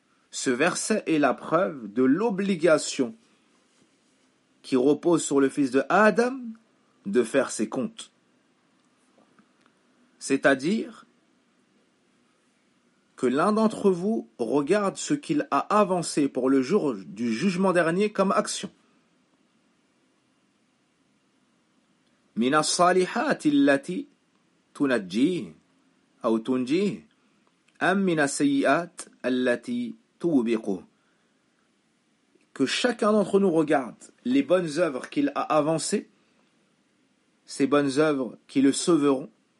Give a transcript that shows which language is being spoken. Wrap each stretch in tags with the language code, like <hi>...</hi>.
<fr>Ce verset est la preuve de l'obligation qui repose sur le fils de Adam de faire ses comptes. C'est-à-dire que l'un d'entre vous regarde ce qu'il a avancé pour le jour du jugement dernier comme action.</fr> <ar>من الصالحات التي تنجي أو تنجي أم من السيئات التي توبق.</ar> <fr>Que chacun d'entre nous regarde les bonnes œuvres qu'il a avancées, ces bonnes œuvres qui le sauveront.</fr>